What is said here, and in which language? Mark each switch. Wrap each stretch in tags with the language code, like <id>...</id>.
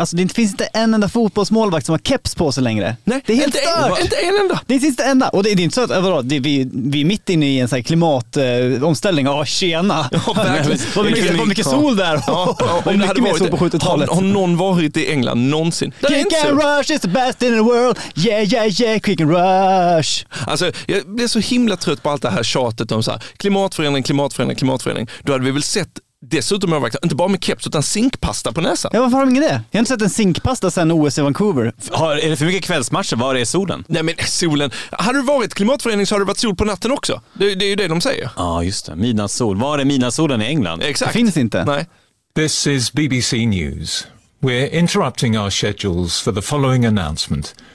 <sv>Alltså det finns inte en enda fotbollsmålvakt som har keps på sig längre. Nej, det är helt stört. Inte en enda. Det finns inte enda. Och det är inte så att överallt, det, vi är mitt inne i en sån här klimatomställning. Ja, tjena. Ja, verkligen. Vad mycket sol där. Ja, och mycket mer sol på 70-talet. Har någon varit i England någonsin?</sv> <en>Kick and Rush is the best in the world. Yeah, yeah, yeah. Kick and Rush.</en> <sv>Alltså, jag blev så himla trött på allt det här tjatet om så här, klimatförändring, klimatförändring, klimatförändring. Då hade vi väl sett dessutom har jag inte bara med keps utan zinkpasta på näsan. Ja, varför har de ingen det? Jag har inte sett en zinkpasta sedan OS i Vancouver. Har, är det för mycket kvällsmatcher? Var är solen? Nej, men solen. Har du varit klimatförening så har det varit sol på natten också. Det är ju det de säger. Ja, ah, just det. Midnattssol. Var är midnattssolen i England? Exakt. Det finns inte. Nej.</sv> <en>This is BBC News. We're interrupting our schedules for the following announcement.</en>